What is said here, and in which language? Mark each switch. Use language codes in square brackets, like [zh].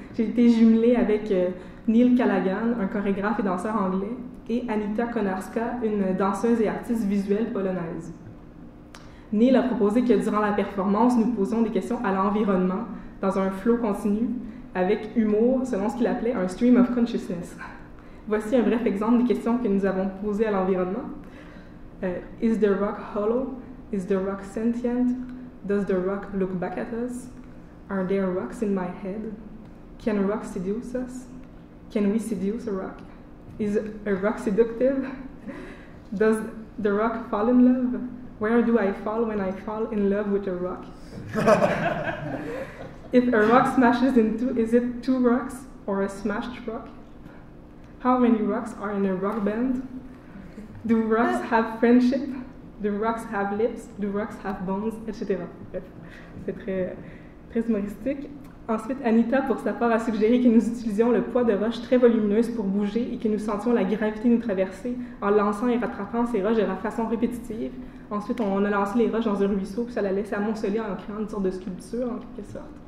[fr] J'ai été jumelée avec Neil Callaghan, un chorégraphe et danseur anglais, et Anita Konarska, une danseuse et artiste visuelle polonaise. Neil a proposé que durant la performance, nous posions des questions à l'environnement dans un flot continu, avec humour, selon ce qu'il appelait un « [en] stream of consciousness ». [fr] Voici un bref exemple des questions que nous avons posées à l'environnement. [en] Is the rock hollow? Is the rock sentient? Does the rock look back at us? Are there rocks in my head? Can a rock seduce us? Can we seduce a rock? Is a rock seductive? Does the rock fall in love? Where do I fall when I fall in love with a rock? If a rock smashes in two, is it two rocks or a smashed rock? How many rocks are in a rock band? Do rocks have friendship? Do rocks have lips? Do rocks have bones? Etc. [fr] C'est très, très humoristique. Ensuite, Anita, pour sa part, a suggéré que nous utilisions le poids de roches très volumineuses pour bouger et que nous sentions la gravité nous traverser en lançant et rattrapant ces roches de la façon répétitive. Ensuite, on a lancé les roches dans un ruisseau puis ça la laissait amonceler en créant une sorte de sculpture, en quelque sorte.